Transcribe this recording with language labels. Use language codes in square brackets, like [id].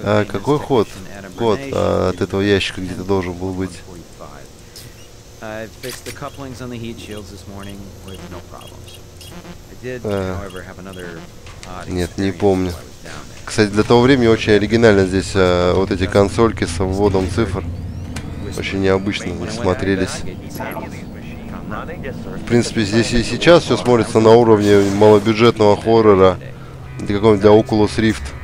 [ru] Какой ход? Ход от этого ящика где-то должен был быть. [en] I've fixed the couplings on the heat shields this morning with no problems. I did, however, have another odd experience. [ru] Нет, не помню. Кстати, для того времени очень оригинально здесь вот эти консольки с вводом цифр. Очень необычно смотрелись. В принципе, здесь и сейчас все смотрится на уровне малобюджетного хоррора. Для какого-нибудь для Oculus Rift.